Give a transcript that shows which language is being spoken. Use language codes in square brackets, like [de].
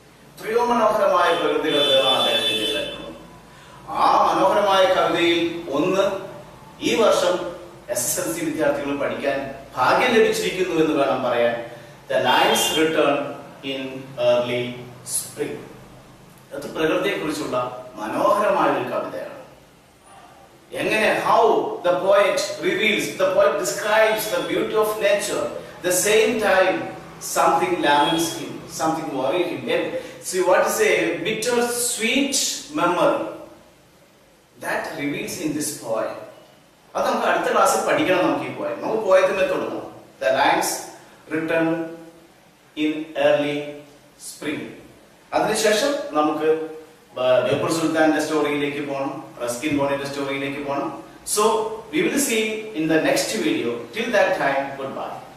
[ml] എത്രയോ മനോഹരമായ പ്രകൃതി കവിതകളാണ് അദ്ദേഹത്തിന്റെ ലക്ഷണം. ആ മനോഹരമായ കവിതയിൽ ഒന്ന് ഈ വർഷം എസ് എസ് എൽ സി വിദ്യാർത്ഥികൾ പഠിക്കാൻ ഭാഗ്യം ലഭിച്ചിരിക്കുന്നു എന്ന് വേണം പറയാൻ. [en] The lines return in early spring. [ml] അത് പ്രകൃതിയെ കുറിച്ചുള്ള മനോഹരമായ ഒരു കവിതയാണ്. എങ്ങനെ, [en] how the poet reveals, the poet describes the beauty of nature, the same time something laments him, something worries him. And see, what is a bitter sweet memory that reveals in this poem. [ml] അത് നമുക്ക് അടുത്ത ക്ലാസ്സിൽ പഠിക്കണം. നമുക്ക് ഈ poem നമുക്ക് പോയതിനെ തുടങ്ങും. The lines written in early spring. അതിനുശേഷം നമുക്ക് ബേപ്പൂർ സുൽത്താന്റെ സ്റ്റോറിയിലേക്ക് പോകണം, റസ്കിൻ ബോണ്ടിന്റെ സ്റ്റോറിയിലേക്ക് പോകണം. [en] So we will see in the next video. Till that time, goodbye.